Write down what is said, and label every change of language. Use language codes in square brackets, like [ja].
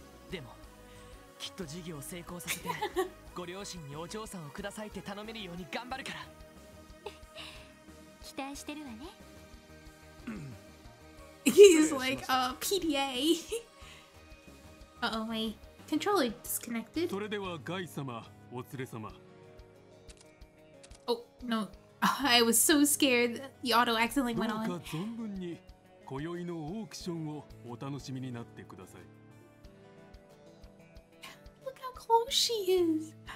[ja] でも、きっと事業を成功させて、ご両親にお嬢さんをくださいって頼めるように頑張るから。期待してるわね。 [en] He's like a PDA. Uh-oh, my controller disconnected. [ja] それではガイ様、お連れ様。 [en] Oh, no. I was so scared the auto accidentally went on. [ja] どうか存分に今宵のオークションをお楽しみになってください。 [en] Look how close she is.